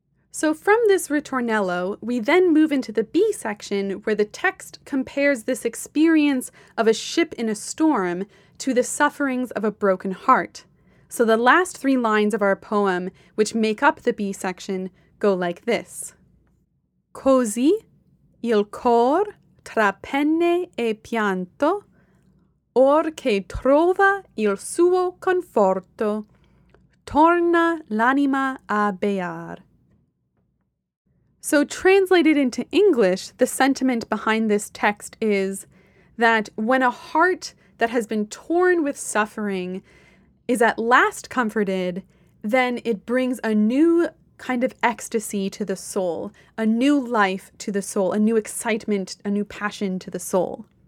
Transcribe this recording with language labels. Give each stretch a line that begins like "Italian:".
English: So from this ritornello, we then move into the B section, where the text compares this experience of a ship in a storm to the sufferings of a broken heart. So the last three lines of our poem, which make up the B section, go like this.
Italian: Così il cor tra penne e pianto, or che trova il suo conforto, torna l'anima a bear.
English: So translated into English, the sentiment behind this text is that when a heart that has been torn with suffering is at last comforted, then it brings a new kind of ecstasy to the soul, a new life to the soul, a new excitement, a new passion to the soul.